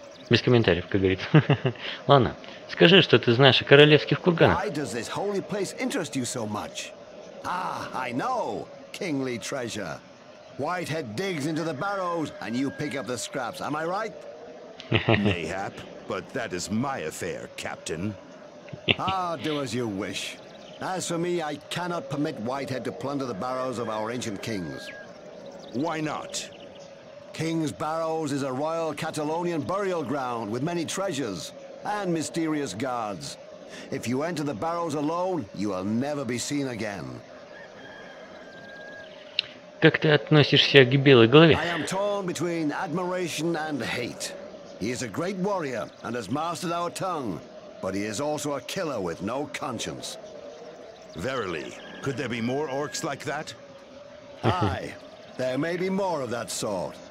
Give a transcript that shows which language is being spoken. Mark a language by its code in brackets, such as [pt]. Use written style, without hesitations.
[ru] Без комментариев, как говорится. Ладно, скажи, что ты знаешь о королевских курганах. [en] Why does this holy place interest you so much? Ah, I know, kingly treasure. Whitehead digs into the barrows, and you pick up the scraps, am I right? Mayhap, but that is my affair, captain. Ah, do as you wish. As for me, I cannot permit Whitehead to plunder the barrows of our ancient kings. Why not? King's Barrows is a royal Catalonian burial ground with many treasures and mysterious guards. If you enter the barrows alone, you will never be seen again. [ru] Как ты относишься к Белой Голове? [en] I am torn between admiration and hate. He is a great warrior and has mastered our tongue, but he is also a killer with no conscience. Verily, could there be more orcs like that? Aye, there may be more of that sort.